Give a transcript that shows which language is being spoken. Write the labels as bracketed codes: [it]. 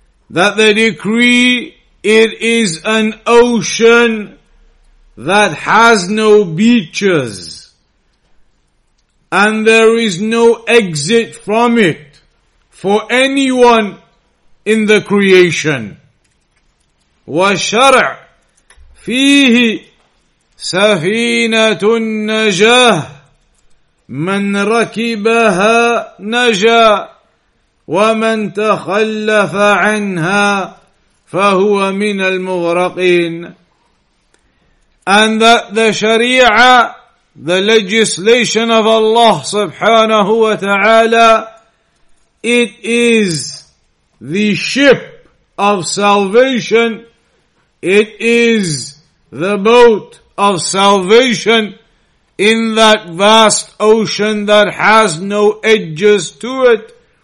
[en] That the decree, it is an ocean that has no beaches, and there is no exit from it for anyone in the creation. [ar] وشرع فيه سفينة النجاة من ركبها نجا ومن تخلف عنها فهو من المغرقين. [en] And that the Sharia, the legislation of Allah subhanahu wa ta'ala, it is the ship of salvation. It is the boat of salvation in that vast ocean that has no edges to it.